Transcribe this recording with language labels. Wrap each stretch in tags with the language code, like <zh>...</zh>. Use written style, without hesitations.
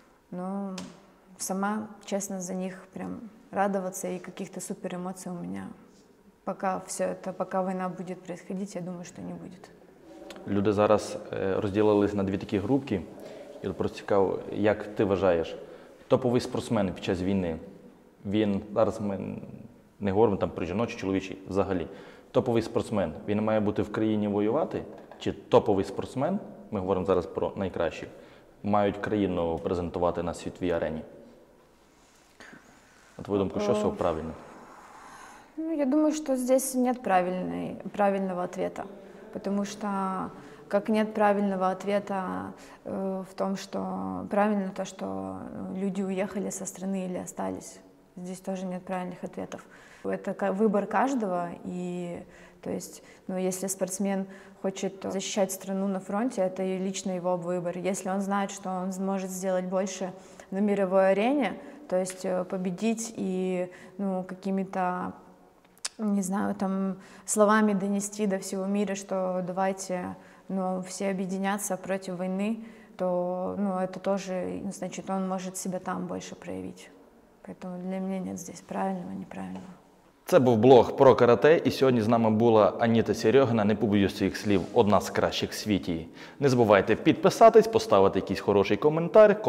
<ru>Но сама, честно, за них прям радоваться и каких-то супер эмоций у меня. Пока все это, пока война будет происходить, я думаю, что не будет.</ru> <uk>Люди зараз розділились на дві такі групки. І просто цікаво, як ти вважаєш, топовий спортсмен під час війни, він, зараз ми не говоримо там про жіночий, чоловічий, взагалі, топовий спортсмен, він має бути в країні воювати, чи топовий спортсмен, ми говоримо зараз про найкращих, мають країну презентувати на світовій арені? На твою думку, що все правильно? Ну, я думаю, що тут немає правильного відповіді, тому що...</uk> <ru>Как нет правильного ответа в том, что правильно то, что люди уехали со страны или остались. Здесь тоже нет правильных ответов. Это выбор каждого. И, то есть, ну, если спортсмен хочет защищать страну на фронте, это и лично его выбор. Если он знает, что он сможет сделать больше на мировой арене, то есть победить и, ну, какими-то... Не знаю, там словами донести до всего мира, что давайте, ну, все объединяться против войны, то, ну, это тоже, значит, он может себя там больше проявить. Поэтому для меня нет здесь правильного, неправильного.</ru> <uk>Це був блог про карате, і сьогодні з нами була Аніта Серьогіна, не побоюсь своїх слів, одна з кращих в світі. Не забувайте підписатись, поставити якийсь хороший коментар, колокольчик, що там ще?</uk>